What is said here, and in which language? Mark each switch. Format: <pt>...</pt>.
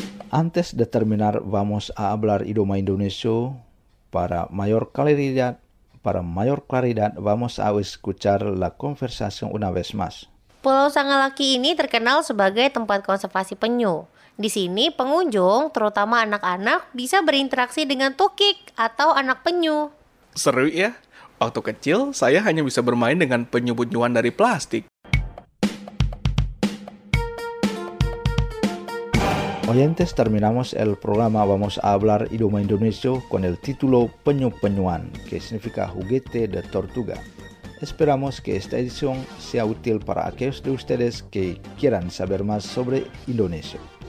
<es>Antes de terminar, vamos a hablar idioma indonesio. Para mayor claridad, vamos a escuchar la conversación una vez más.</es> <id>Pulau Sangalaki ini terkenal sebagai tempat konservasi penyu. Di sini, pengunjung, terutama anak-anak, bisa berinteraksi dengan tukik atau anak penyu. Seru ya. Waktu kecil, saya hanya bisa bermain dengan penyu bunyuan dari plastik.</id> <es>Oyentes, terminamos el programa Vamos a hablar idioma indonesio con el título Penyu-penyuan, que significa juguete de tortuga. Esperamos que esta edición sea útil para aquellos de ustedes que quieran saber más sobre Indonesia.</es>